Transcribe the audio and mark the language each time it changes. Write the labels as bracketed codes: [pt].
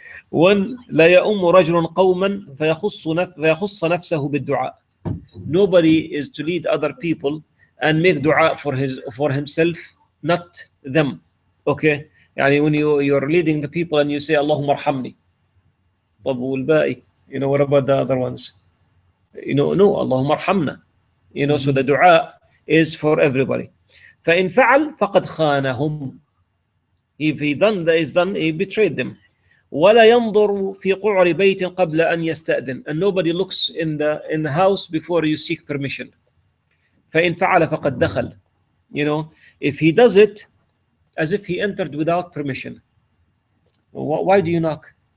[ar] One, لا يأم رجل قوما فيخص نفسه بالدعاء. [en] Nobody is to lead other people and make dua for himself, not them. Okay, [ar] يعني [en] when you're leading the people and you say [ar] اللهم ارحمني, طب والباقي, [en] you know, what about the other ones, you know, no, [ar] اللهم ارحمنا, [en] you know. So the dua is for everybody. [ar] فإن فعل فقد خانهم, [en] he betrayed them. [ar] ولا ينظر في قعر بيت قبل أن يستأذن, [en] and nobody looks in the house before you seek permission. [ar] فإن فعل فقد دخل, [en] you know, if he does it as if he entered without permission, why do you knock?